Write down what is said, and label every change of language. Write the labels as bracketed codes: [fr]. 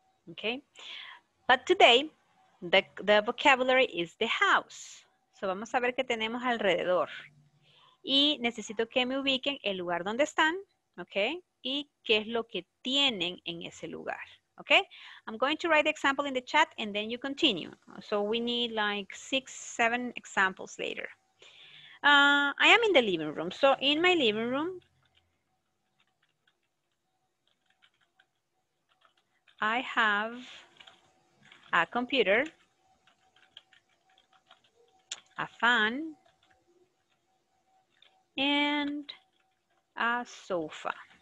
[en] Okay, but today the vocabulary is the house. [es] So vamos a ver qué tenemos alrededor. Y necesito que me ubiquen el lugar donde están, okay? Y qué es lo que tienen en ese lugar. [en] Okay, I'm going to write the example in the chat and then you continue. So we need like 6-7 examples later. I am in the living room. So in my living room, I have a computer, a fan, and a sofa.